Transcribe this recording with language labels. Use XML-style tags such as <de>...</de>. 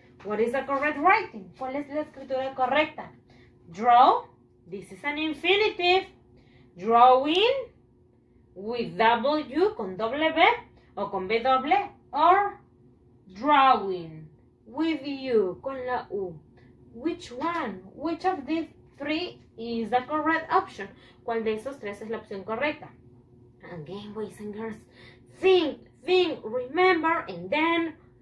<en>What is the correct writing?</en> <es>¿Cuál es la escritura correcta?</es> <en>Draw, this is an infinitive. Drawing, with double U,</en> <es>con doble B, o con B doble,</es> <en>or drawing with you,</en> <es>con la U.</es> <en>Which one? Which of these three is the correct option?</en> <es>¿Cuál de esos tres es la opción correcta?</es> <en>Again, boys and girls, think, remember, and then</en>